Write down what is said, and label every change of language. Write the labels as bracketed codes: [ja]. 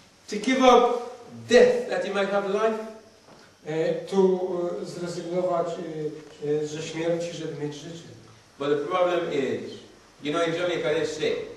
[en] To give up death that you might have life. [pl] Tu zrezygnować ze śmierci, żeby mieć życie. [en] But the problem is, you know, in Jamaica they say.